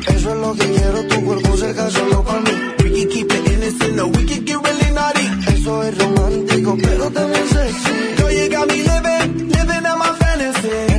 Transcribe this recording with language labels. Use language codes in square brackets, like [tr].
[es] Eso es lo que quiero, tu cuerpo cerca solo para mí. [en] We can keep it innocent, no, we can get really naughty. [es] Eso es romántico, pero también sexy. [en] Girl, you got me living out my fantasy.